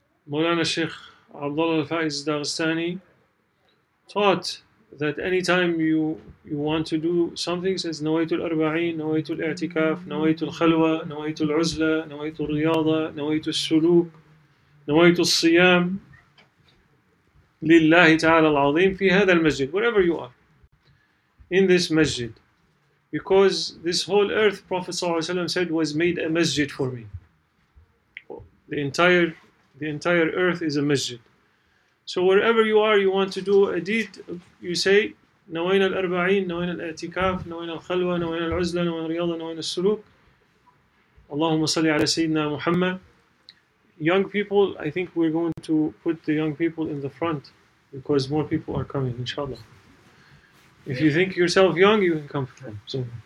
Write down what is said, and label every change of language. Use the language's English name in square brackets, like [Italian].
[English] Mawlana Sheikh Abdullah Al-Faiz Daghestani taught that anytime you want to do something, says Nawaitul Arba'een, Nawaitul I'tikaf, Nawaitul Khalwa, Nawaitul Uzla, Nawaitul Riyadha, Nawaitul Suluk, Nawaitul Siyam, لله تعالى العظيم في هذا المسجد, wherever you are, in this masjid, because this whole earth, Prophet ﷺ said, was made a masjid for me. The entire earth is a masjid. So wherever you are, you want to do a deed, you say نوين الأربعين, نوين الاعتكاف, نوين الخلوة, نوين العزلة, نوين الرياضة, نوين السلوك. [Arabic] اللهم صل على سيدنا محمد. [English] Young people, I think we're going to put the young people in the front because more people are coming, inshallah. If you think yourself young, you can come from. So.